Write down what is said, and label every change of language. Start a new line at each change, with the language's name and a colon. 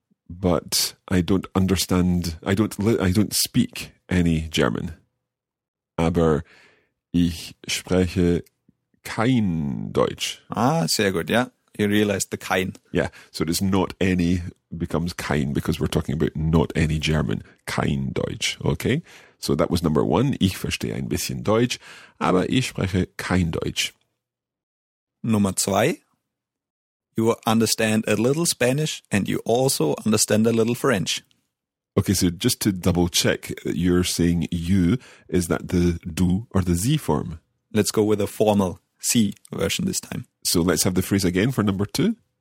English: But I don't understand, I don't speak any German.
German: Aber ich spreche kein Deutsch. Ah, sehr gut, ja.
English: You realized the
German: kein.
English: Yeah, so it is not any becomes kein because we're talking about not any German.
German: Kein Deutsch,
English: okay? So that was number one.
German: Ich verstehe ein bisschen Deutsch, aber ich spreche kein Deutsch.
English: Number two. You understand a little Spanish and you also understand a little French. Okay, so just to double check, you're saying you, is that the du or the sie form? Let's go with a formal sie version this time. So let's have the phrase again for number two.